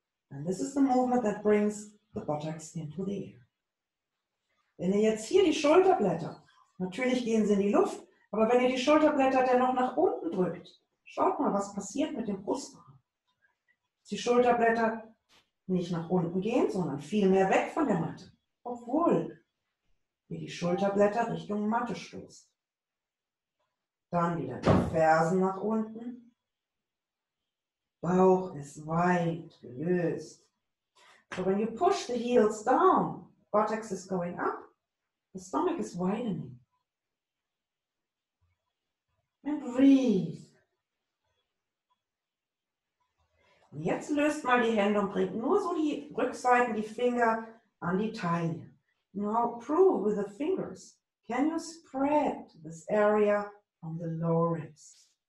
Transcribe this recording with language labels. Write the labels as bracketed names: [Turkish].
[English] And this is the movement that brings the buttocks into the air. [German] Wenn ihr jetzt hier die Schulterblätter, natürlich gehen sie in die Luft, aber wenn ihr die Schulterblätter dennoch nach unten drückt, schaut mal, was passiert mit dem Brustkorb. Die Schulterblätter nicht nach unten gehen, sondern viel mehr weg von der Matte. Obwohl ihr die Schulterblätter Richtung Matte stoßt. Dann wieder die Fersen nach unten. Bauch ist weit gelöst. [English] So when you push the heels down, buttocks is going up, the stomach is widening. And breathe. [German] Und jetzt löst mal die Hände und bringt nur so die Rückseiten, die Finger an die Taille. [English] Now prove with the fingers, can you spread this area on the lower ribs?